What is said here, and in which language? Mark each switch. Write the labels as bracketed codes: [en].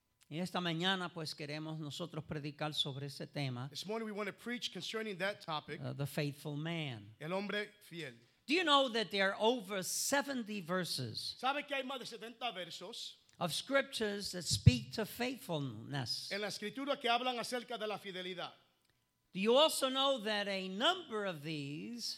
[es] Y esta mañana, pues, queremos nosotros predicar sobre ese tema. [en] This morning we want to preach concerning that topic, the faithful man. [es] El hombre fiel. [en] Do you know that there are over 70 verses, [es] ¿sabe que hay más de 70 versos, [en] of scriptures that speak to faithfulness? [es] En la escritura que hablan acerca de la fidelidad. [en] Do you also know that a number of these,